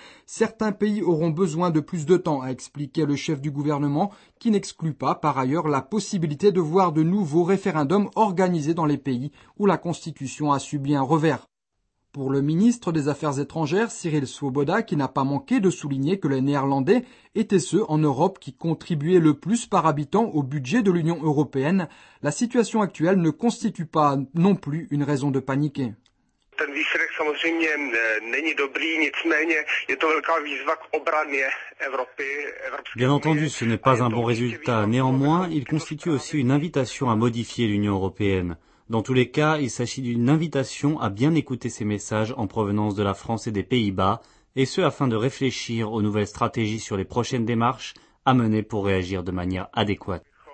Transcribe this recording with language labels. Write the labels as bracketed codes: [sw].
[fr] Certains pays auront besoin de plus de temps, a expliqué le chef du gouvernement, qui n'exclut pas par ailleurs la possibilité de voir de nouveaux référendums organisés dans les pays où la Constitution a subi un revers. Pour le ministre des Affaires étrangères, Cyril Swoboda, qui n'a pas manqué de souligner que les Néerlandais étaient ceux en Europe qui contribuaient le plus par habitant au budget de l'Union européenne, la situation actuelle ne constitue pas non plus une raison de paniquer. [cs] Ten výsledek samozřejmě není dobrý, nicméně je to velká výzva k obraně Evropy. [fr] Bien entendu, ce n'est pas un bon résultat. Néanmoins, il constitue aussi une invitation à modifier l'Union européenne. Dans tous les cas, il s'agit d'une invitation à bien écouter ces messages en provenance de la France et des Pays-Bas, et ce afin de réfléchir aux nouvelles stratégies sur les prochaines démarches à mener pour réagir de manière adéquate.